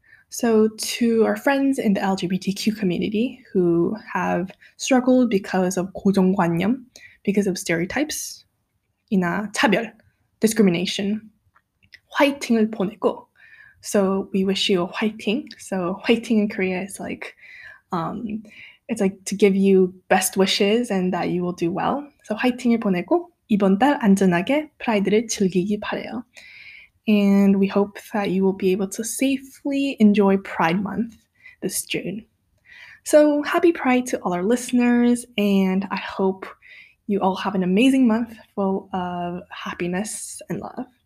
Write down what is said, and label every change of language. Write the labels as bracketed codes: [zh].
[en] So to our friends in the LGBTQ community who have struggled because of [ko] 고정관념, [en] because of stereotypes, [ko] 이나 차별, [en] discrimination, [ko] 화이팅을 보내고. [en] So we wish you a 화이팅. So 화이팅 in Korea is like, it's like to give you best wishes and that you will do well. [ko] So 화이팅을 보내고 이번 달 안전하게 프라이드를 즐기기 바래요. [en] And we hope that you will be able to safely enjoy Pride Month this June. So happy Pride to all our listeners, and I hope you all have an amazing month full of happiness and love.